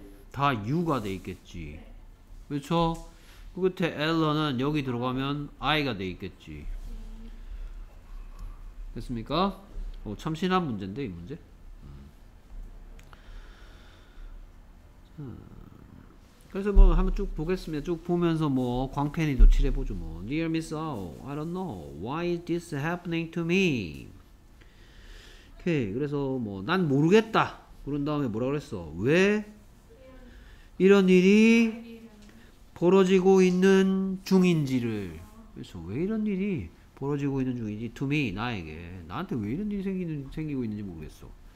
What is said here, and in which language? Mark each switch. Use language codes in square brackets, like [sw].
[ko] 다 U가 돼 있겠지. 그렇죠? 그 끝에 Ella는 여기 들어가면 I가 돼 있겠지. 됐습니까? 오, 참 신한 문제인데 이 문제? 그래서 뭐 한번 쭉 보겠습니다. 쭉 보면서 뭐 광팬이도 칠해보죠 뭐. [en] Dear Miss O, I don't know why is this happening to me. [ko] 오케이. 그래서 뭐 난 모르겠다. 그런 다음에 뭐라 그랬어? 왜 이런 일이 벌어지고 있는 중인지를. 그래서 왜 이런 일이 벌어지고 있는 중인지 to me 나에게 나한테 왜 이런 일이 생기고 있는지 모르겠어.